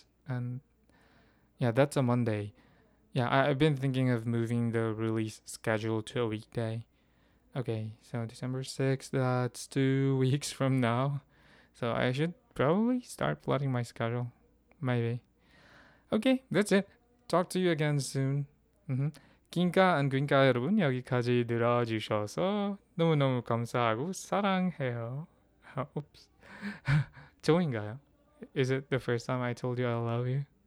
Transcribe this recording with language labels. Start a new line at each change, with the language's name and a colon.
English: And yeah, that's a Monday. Yeah, I've been thinking of moving the release schedule to a weekday. Okay, so December 6th, that's 2 weeks from now. So I should probably start plotting my schedule. Maybe. Okay, that's it. Talk to you again soon. Mm-hmm.
Korean: 긴가 안 긴가 여러분 여기까지 들어주셔서 너무너무 감사하고 사랑해요. Oops. 좋은가요?
English: Is it the first time I told you I love you?